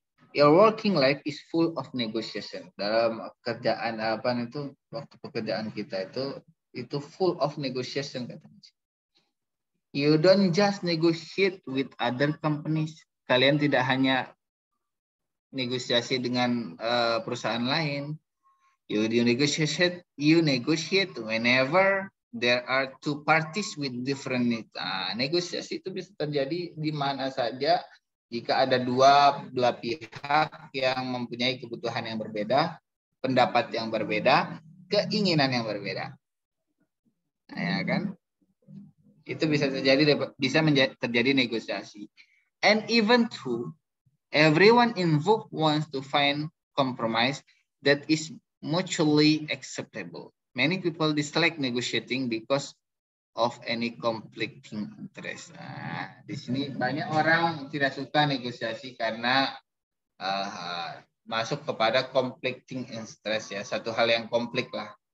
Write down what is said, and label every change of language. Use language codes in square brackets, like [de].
[en] Your working life is full of negotiation. [id] Dalam kerjaan apa itu waktu pekerjaan kita itu [en] full of negotiation [id] katanya. [en] You don't just negotiate with other companies. [id] Kalian tidak hanya negosiasi dengan perusahaan lain. [en] You negotiate whenever there are two parties with different needs. [id] Negosiasi itu bisa terjadi di mana saja jika ada dua belah pihak yang mempunyai kebutuhan yang berbeda, pendapat yang berbeda, keinginan yang berbeda. Nah, ya kan? Itu bisa terjadi negosiasi. [en] And even though everyone involved wants to find compromise that is mutually acceptable. Many people dislike negotiating because of any conflicting interest. [id] Nah, di sini banyak orang tidak suka negosiasi karena masuk kepada [en] conflicting interest [id] ya, satu hal yang konflik lah.